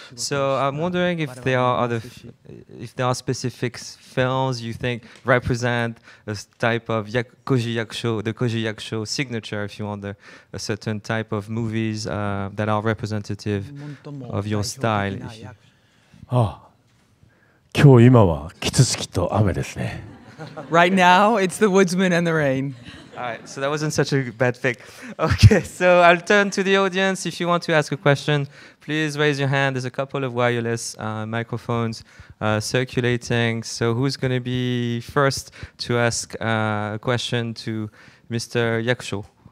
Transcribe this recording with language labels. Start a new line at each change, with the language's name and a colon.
English: So I'm wondering if there are specific films you think represent a type of Koji Yakusho signature, if you want, a certain type of movies that are representative of your style.
Japanese: Ah, 今日今はキツツキと雨ですね。
English: Right now, it's The Woodsman and the Rain. All right, so that wasn't such a bad pick. Okay, so I'll turn to the audience. If you want to ask a question, please raise your hand. There's a couple of wireless microphones circulating. So who's going to be first to ask a question to Mr. Yakusho?